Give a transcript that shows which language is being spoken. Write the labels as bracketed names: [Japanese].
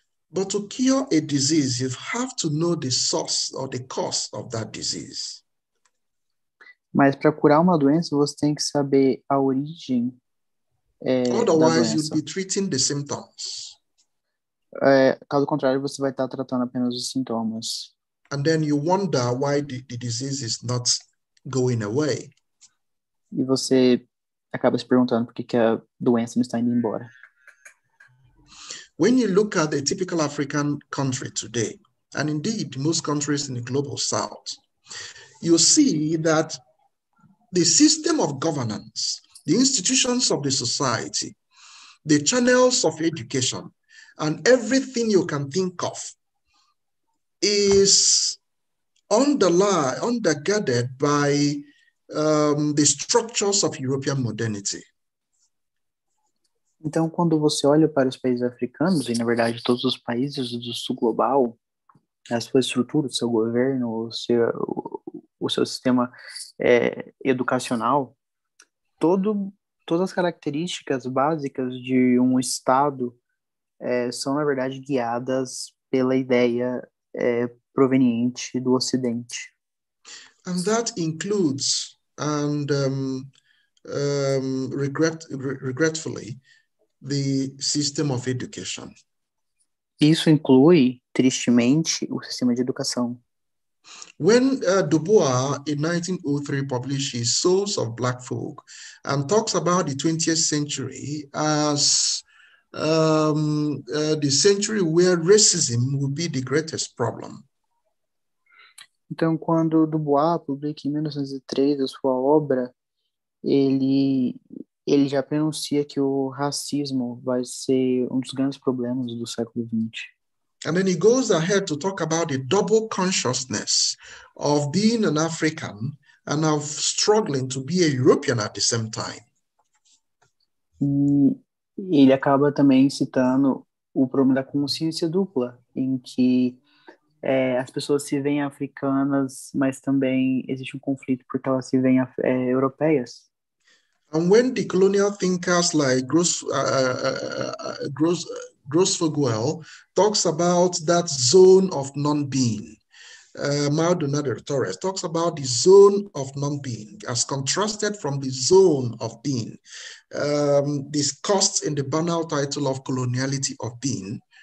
[English] But to cure a disease, you have to know the source or the cause of that disease. [Portuguese] Mas para curar uma doença, você tem que saber a origem [English] Otherwise, you'll be treating the symptoms. [Portuguese] Caso contrário, você vai estar tratando apenas os sintomas. [English] And then you wonder why the disease is not going away. [Portuguese] E você acaba se perguntando por que a doença não está indo embora. [English] When you look at a typical African country today, and indeed most countries in the global south, you see that the system of governance, the institutions of the society, the channels of education, and everything you can think of is undergirded by the structures of European modernity. [Portuguese] Então, quando você olha para os países africanos, e na verdade todos os países do sul global, a sua estrutura, o seu governo, o seu sistema educacional, todas as características básicas de um Estado são, na verdade, guiadas pela ideia proveniente do Ocidente. [English] And that includes, and regretfully, the system of education. [Portuguese] Isso inclui, tristemente, o sistema de educação. [English] When Dubois, in 1903, published his Souls of Black Folk and talks about the 20th century as the century where racism would be the greatest problem. [Portuguese] Então, quando Dubois publica em 1903 a sua obra, ele já pronuncia que o racismo vai ser um dos grandes problemas do século XX. [English] And then he goes ahead to talk about the double consciousness of being an African and of struggling to be a European at the same time. [Portuguese] Ele acaba também citando o problema da consciência dupla, em que as pessoas se veem africanas, mas também existe um conflito porque elas se veem europeias. [English] And when the colonial thinkers like Grosvogel talks about that zone of non-being, Maldonado Torres talks about the zone of non-being as contrasted from the zone of being, discussed in the banal title of coloniality of being.